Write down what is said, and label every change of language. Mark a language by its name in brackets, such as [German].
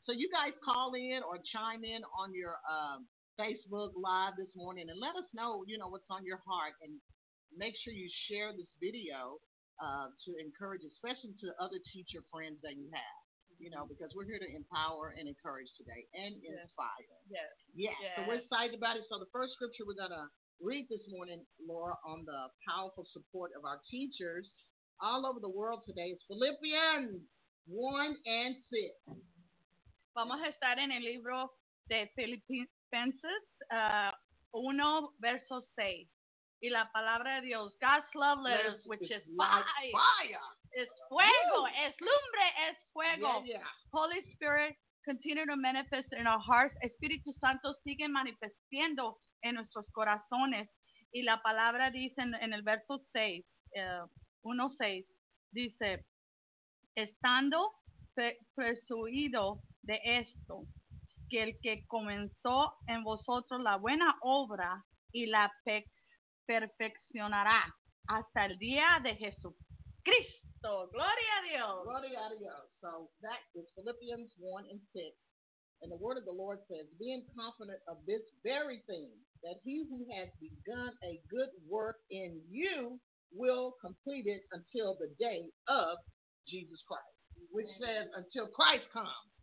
[English] So you guys call in or chime in on your Facebook Live this morning and let us know, you know, what's on your heart, and make sure you share this video to encourage, especially to other teacher friends that you have, you know, because we're here to empower and encourage today and inspire. Yes. So we're excited about it. So the first scripture we're going to read this morning, Laura, on the powerful support of our teachers all over the world today is Philippians 1 and 6. [Spanish] Vamos a estar en el libro de Filipinas. Fences, 1, verso 6. Y la palabra de Dios, [English] God's love letter, which is fire. [Spanish] Es fuego. Woo. Es lumbre. Es fuego. [English] Yeah. Holy Spirit, continue to manifest in our hearts. [Spanish] Espíritu Santo sigue manifestando en nuestros corazones. Y la palabra dice en el verso 6, 1:6, dice, estando persuadido de esto, que el que comenzó en vosotros la buena obra y la perfeccionará hasta el día de Jesucristo. Gloria a Dios. Gloria a Dios. [English] So that is Philippians 1 and 6. And the word of the Lord says, being confident of this very thing, that he who has begun a good work in you will complete it until the day of Jesus Christ. Which says, until Christ comes.